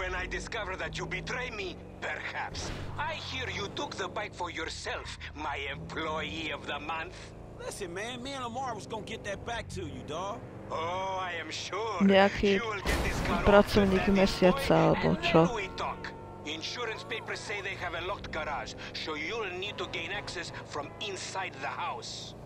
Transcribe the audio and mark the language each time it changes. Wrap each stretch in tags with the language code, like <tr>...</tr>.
<en>Discover that you betray me, perhaps. I hear you took the bike for yourself, my employee of the month. Listen, man, me and Lamar was gonna get that back to you, dog. Oh, I am sure.</en> <sk>Nejaký pracovník mesiaca, alebo čo?</sk> <en>We talk. Insurance papers say they have a locked garage, so you'll need to gain access from inside the house.</en>